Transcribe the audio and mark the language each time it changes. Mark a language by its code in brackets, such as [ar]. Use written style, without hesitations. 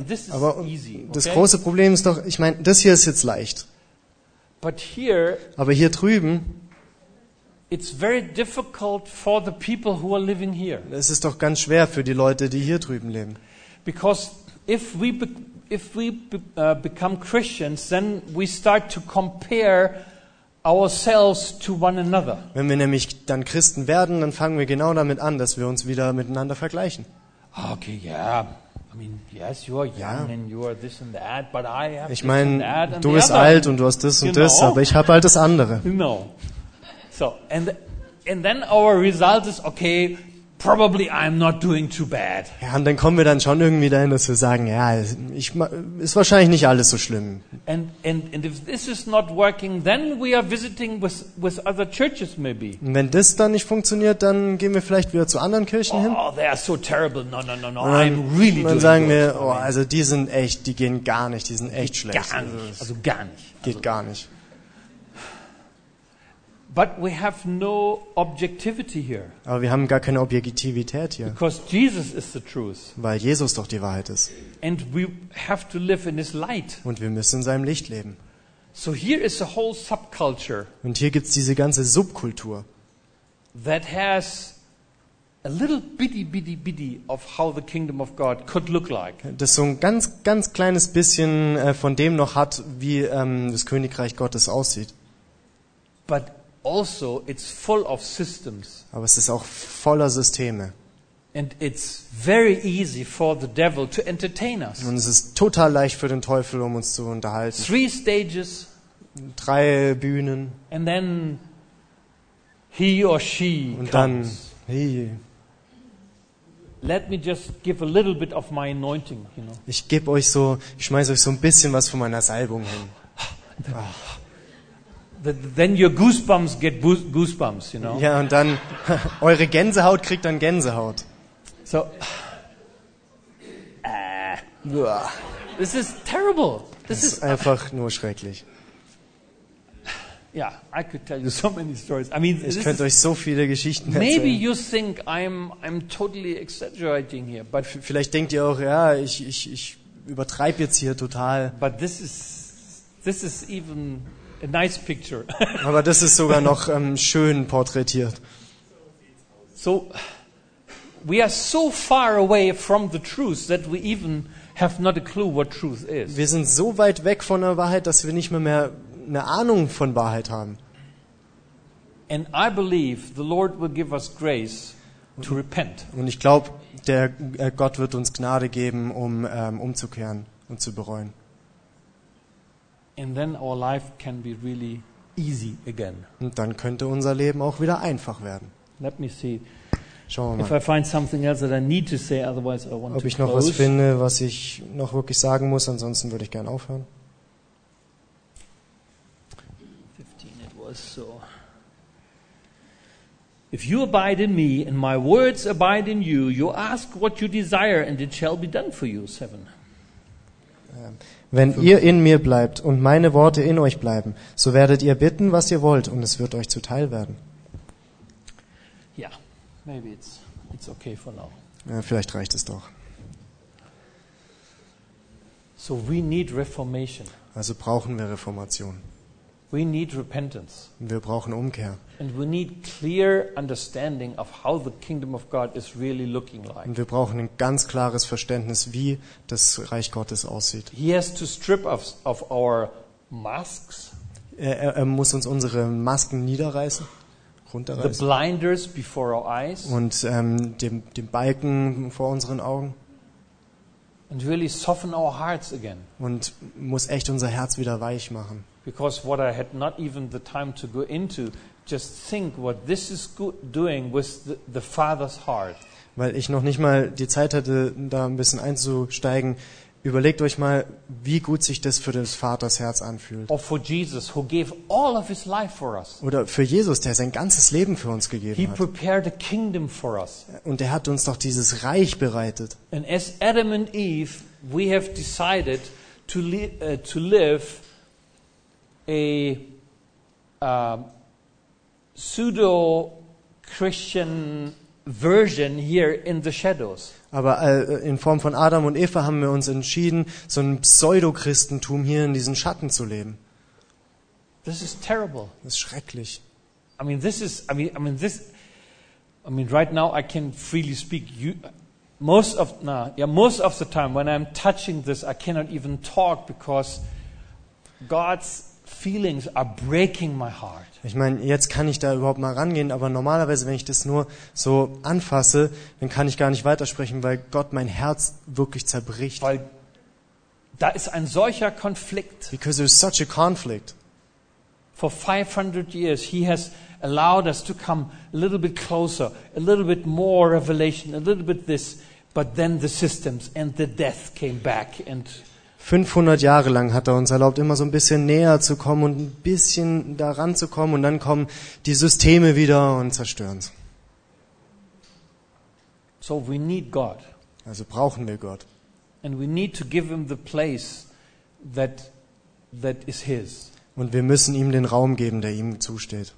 [de] Aber das große Problem ist doch, ich meine, das hier ist jetzt leicht. Aber hier drüben, es ist doch ganz schwer für die Leute, die hier drüben leben. [en] Because if we become Christians, then we start to compare ourselves to one another. [de] Wenn wir nämlich dann Christen werden, dann fangen wir genau damit an, dass wir uns wieder miteinander vergleichen. [en] Okay, yeah. I mean, yes, you are young and you are this and that, but I have. [de] Ich meine, du bist alt und du hast das und das, aber ich habe halt das andere. [en] No. So and then our result is okay. Probably I'm not doing too bad. [de] Ja, und dann kommen wir dann schon irgendwie dahin, dass wir sagen, ja, ist wahrscheinlich nicht alles so schlimm. [en] And if this is not working, then we are visiting with other churches maybe. [de] Und wenn das dann nicht funktioniert, dann gehen wir vielleicht wieder zu anderen Kirchen hin. [en] Oh, they are so terrible. No. [de] Und dann, [en] I'm really [de] dann [en] doing [de] sagen wir, oh, also die sind echt, die gehen gar nicht, die sind echt schlecht. Gar nicht. [en] But we have no objectivity here. [de] Aber wir haben gar keine Objektivität hier. [en] Because Jesus is the truth. [de] Weil Jesus doch die Wahrheit ist. [en] And we have to live in his light. [de] Und wir müssen in seinem Licht leben. [en] So here is a whole subculture. [de] Und hier gibt's diese ganze Subkultur. [en] That has a little bitty of how the kingdom of God could look like. [de] Das so ein ganz ganz kleines bisschen von dem noch hat, wie das Königreich Gottes aussieht. [en] But also, it's full of systems. [de] Aber es ist auch voller Systeme. [en] And it's very easy for the devil to entertain us. [de] Und es ist total leicht für den Teufel, um uns zu unterhalten. [en] 3 stages. [de] 3 Bühnen. [en] And then he or she [de] und [en] comes. [de] Dann [en] he. Let me just give a little bit of my anointing, you know. [de] Ich gebe euch so, ich schmeiß euch so ein bisschen was von meiner Salbung hin. [en] Then your goosebumps get goosebumps, you know. [de] Ja, und dann eure Gänsehaut kriegt dann Gänsehaut. [en] So, this is terrible. This [de] ist einfach nur schrecklich. [en] Yeah, I could tell you so many stories. I mean, [de] ich könnte euch so viele Geschichten [en] maybe Maybe you think I'm totally exaggerating here, but [de] vielleicht denkt ihr auch, ja, ich übertreibe jetzt hier total. [en] But this is even a nice picture. [de] Aber das ist sogar noch schön porträtiert. [en] So, we are so far away from the truth that we even have not a clue what truth is. [de] Wir sind so weit weg von der Wahrheit, dass wir nicht mehr eine Ahnung von Wahrheit haben. [en] And I believe the Lord will give us grace to repent. [de] Und ich glaube, der Gott wird uns Gnade geben, um umzukehren und zu bereuen. [en] And then our life can be really easy again. [de] Und dann könnte unser Leben auch wieder einfach werden. [en] Let me see. [de] Schauen wir mal. [en] If I find something else that I need to say, otherwise I want to close. [de] Ob ich noch was finde, was ich noch wirklich sagen muss, ansonsten würde ich gerne aufhören. [en] So, if you abide in me and my words abide in you, you ask what you desire and it shall be done for you. 7. [de] Wenn ihr in mir bleibt und meine Worte in euch bleiben, so werdet ihr bitten, was ihr wollt, und es wird euch zuteil werden. [en] Yeah, maybe it's okay for now. [de] Ja, vielleicht reicht es doch. [en] So we need reformation. [de] Also brauchen wir Reformation. [en] We need repentance. [de] Wir brauchen Umkehr. [en] And we need clear understanding of how the kingdom of God is really looking like. [de] Und wir brauchen ein ganz klares Verständnis, wie das Reich Gottes aussieht. [en] He has to strip us of our masks. [de] Er muss uns unsere Masken niederreißen, runterreißen. [en] The blinders before our eyes. [de] Und den Balken vor unseren Augen. [en] And really soften our hearts again. [de] Und muss echt unser Herz wieder weich machen. [en] Because what I had not even the time to go into, just think what this is doing with the Father's heart. [de] Weil ich noch nicht mal die Zeit hatte, da ein bisschen einzusteigen. Überlegt euch mal, wie gut sich das für das Vaters Herz anfühlt. [en] Or for Jesus, who gave all of his life for us. [de] Oder für Jesus, der sein ganzes Leben für uns gegeben [en] he [de] hat. [en] He prepared a kingdom for us. [de] Und er hat uns doch dieses Reich bereitet. [en] And as Adam and Eve, we have decided to live a pseudo-Christian version here in the shadows. [de] Aber in Form von Adam und Eva haben wir uns entschieden, so ein Pseudo-Christentum hier in diesen Schatten zu leben. [en] This is terrible. [de] Das ist schrecklich. [en] I mean, this is. I mean, right now I can freely speak. Most of the time when I'm touching this, I cannot even talk because God's feelings are breaking my heart. [de] Ich meine, jetzt kann ich da überhaupt mal rangehen, aber normalerweise, wenn ich das nur so anfasse, dann kann ich gar nicht weitersprechen, weil Gott mein Herz wirklich zerbricht. Weil da ist ein solcher Konflikt. [en] Because there's such a conflict. For 500 years he has allowed us to come a little bit closer, a little bit more revelation, a little bit this, but then the systems and the death came back and [de] 500 Jahre lang hat er uns erlaubt, immer so ein bisschen näher zu kommen und ein bisschen da ranzukommen und dann kommen die Systeme wieder und zerstören es. [en] So we need God. [de] Also brauchen wir Gott. [en] And we need to give him the place that is his. [de] Und wir müssen ihm den Raum geben, der ihm zusteht.